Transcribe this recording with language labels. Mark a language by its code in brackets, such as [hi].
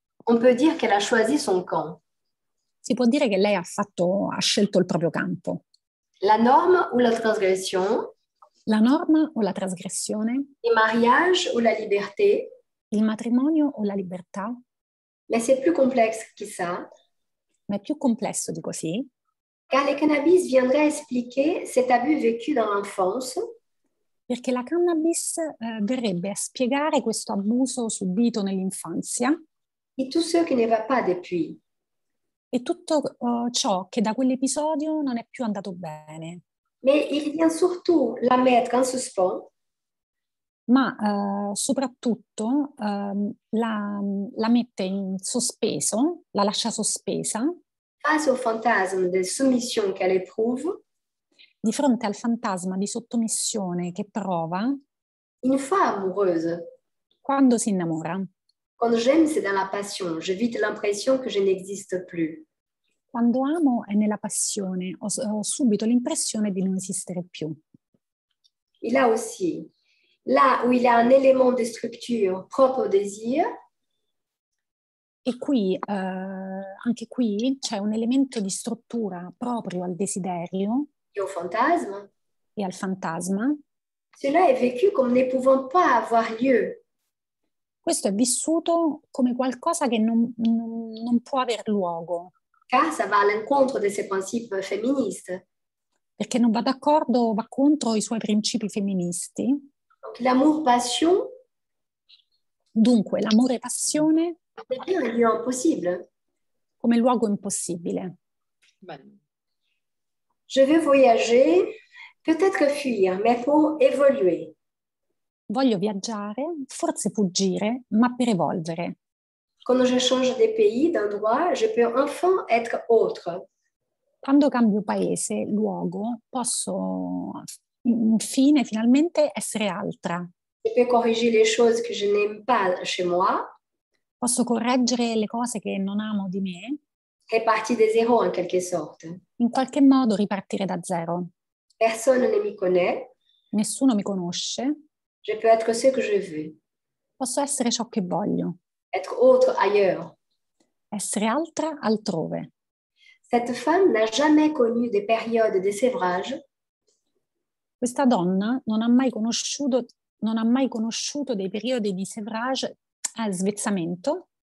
[fr] on peut dire qu'elle a choisi son camp. [it] Si può dire che lei ha scelto il proprio campo. [fr] La norme ou la transgression? [it] La norma o la trasgressione? [fr] Il mariage ou la liberté? [it] Il matrimonio o la libertà? [fr] Mais c'est plus complexe que ça. [it] Ma è più complesso di così. [fr] Car le cannabis viendrait expliquer cet abus vécu dans l'enfance. [it] Perché la cannabis verrebbe a spiegare questo abuso subito nell'infanzia. [fr] E tout ce qui ne va pas depuis. [it] E tutto ciò che da quell'episodio non è più andato bene. [fr] Mais il vient surtout la mettre en suspens. [it] Ma soprattutto la mette in sospeso, la lascia sospesa. [fr] Face au fantasme de soumission qu'elle éprouve. [it] Di fronte al fantasma di sottomissione che prova. [fr] Une fois amoureuse. [it] Quando si innamora. [fr] Quand j'aime, c'est dans la passion. Je vis l'impression que je n'existe plus. [it] Quando amo è nella passione, ho subito l'impressione di non esistere più. [fr] E là aussi, là où il y a un élément de structure propre au désir. [it] E qui, anche qui, c'è un elemento di struttura proprio al desiderio. [fr] E au fantasme. [it] E al fantasma. [fr] Cela est vécu comme ne pouvant pas avoir lieu. [it] Questo è vissuto come qualcosa che non può aver luogo. [fr] Car ça va [it] all'incontro [fr] de ses principes féministes. [it] Perché non va d'accordo, va contro i suoi principi femministi. [fr] Donc, l'amour passion. [it] Dunque, l'amore passione. È un luogo impossibile. Come luogo impossibile. Bene. [fr] Je vais voyager, peut-être fuir, mais pour évoluer. [it] Voglio viaggiare, forse fuggire, ma per evolvere. [fr] Quand je change de pays, d'endroit, je peux enfin être autre. [it] Quando cambio paese, luogo, posso infine, finalmente, essere altra. [fr] Je peux corriger les choses que je n'aime pas chez moi. [it] Posso correggere le cose che non amo di me. [fr] Et partir de zéro, en quelque sorte. [it] In qualche modo ripartire da zero. [fr] Personne ne me connaît. [it] Nessuno mi conosce. [fr] Je peux être ce que je veux. [it] Posso essere ciò che voglio. [fr] Être autre ailleurs. [it] Essere altra altrove. [fr] Cette femme n'a jamais connu des périodes de sevrage. [it] Questa donna non ha mai conosciuto dei periodi di sevrage, svezzamento.